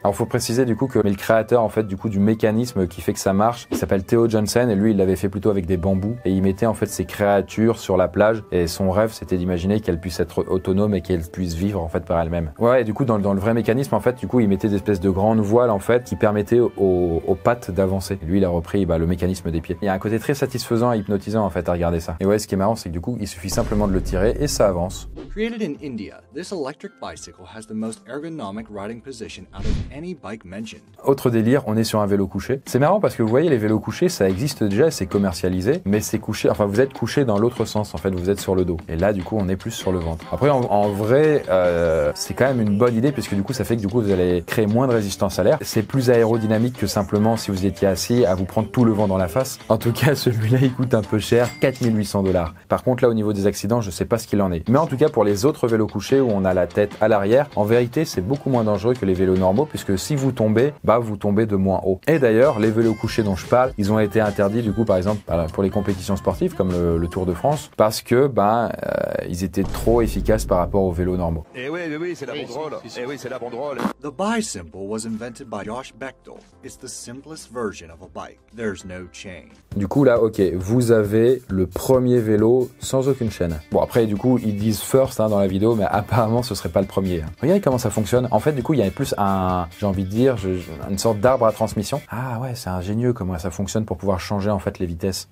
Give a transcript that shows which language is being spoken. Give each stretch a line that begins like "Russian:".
French: Alors, faut préciser, du coup, que le créateur, en fait, du coup, du mécanisme qui fait que ça marche, il s'appelle Theo Johnson, et lui, il l'avait fait plutôt avec des bambous, et il mettait, en fait, ses créatures sur la plage, et son rêve, c'était d'imaginer qu'elles puissent être autonomes et qu'elles puissent vivre, en fait, par elles-mêmes. Ouais, et du coup, dans le vrai mécanisme, en fait, du coup, il mettait des espèces de grandes voiles, en fait, qui permettaient aux pattes d'avancer. Et lui, il a repris, bah, le mécanisme des pieds. Il y a un côté très satisfaisant et hypnotisant en fait à regarder ça. Et ouais, ce qui est marrant, c'est que du coup, il suffit simplement de le tirer et ça avance.
English: Created in India, this electric bicycle has the most ergonomic riding position out of any bike mentioned.
French: Autre délire, on est sur un vélo couché. C'est marrant parce que vous voyez, les vélos couchés, ça existe déjà, c'est commercialisé, mais c'est couché, enfin vous êtes couché dans l'autre sens en fait, vous êtes sur le dos. Et là, du coup, on est plus sur le ventre. Après, en vrai, c'est quand même une bonne idée puisque du coup, ça fait que du coup, vous allez créer moins de résistance à l'air. C'est plus aérodynamique que simplement si vous étiez assis à vous prendre tout le vent dans la face. face. En tout cas, celui-là, il coûte un peu cher, 4 800 $. Par contre, là, au niveau des accidents, je sais pas ce qu'il en est. Mais en tout cas, pour les autres vélos couchés où on a la tête à l'arrière, en vérité, c'est beaucoup moins dangereux que les vélos normaux, puisque si vous tombez, bah, vous tombez de moins haut. Et d'ailleurs, les vélos couchés dont je parle, ils ont été interdits, du coup, par exemple, pour les compétitions sportives, comme le Tour de France, parce que, ils étaient trop efficaces par rapport aux vélos normaux. Eh oui, c'est la banderole.
English: The Bi-Simple was invented by Josh Bechtel. It's the simplest version of a bike. There's no chain.
French: Du coup, là, ok, vous avez le premier vélo sans aucune chaîne. Bon, après, du coup, ils disent first dans la vidéo, mais apparemment, ce serait pas le premier. Regardez comment ça fonctionne. En fait, du coup, il y a plus une sorte d'arbre à transmission. Ah ouais, c'est ingénieux comment ça fonctionne pour pouvoir changer, en fait, les vitesses.